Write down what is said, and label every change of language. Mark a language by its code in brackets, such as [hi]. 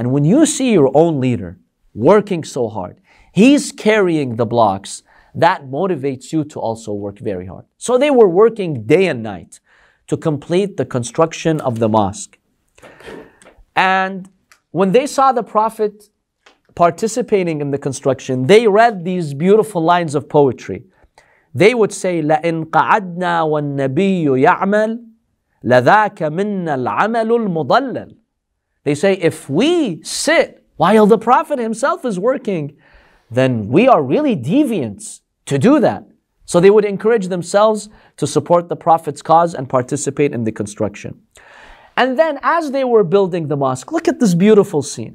[en] And when you see your own leader working so hard, he's carrying the blocks, that motivates you to also work very hard. So they were working day and night to complete the construction of the mosque. And when they saw the Prophet participating in the construction, they read these beautiful lines of poetry. [ar] They would say, لَإِنْ قَعَدْنَا وَالنَّبِيُّ يَعْمَلْ لَذَاكَ مِنَّ الْعَمَلُ الْمُضَلَّلُ. [en] They say, if we sit while the Prophet himself is working, then we are really deviants to do that. So they would encourage themselves to support the Prophet's cause and participate in the construction. And then as they were building the mosque, look at this beautiful scene.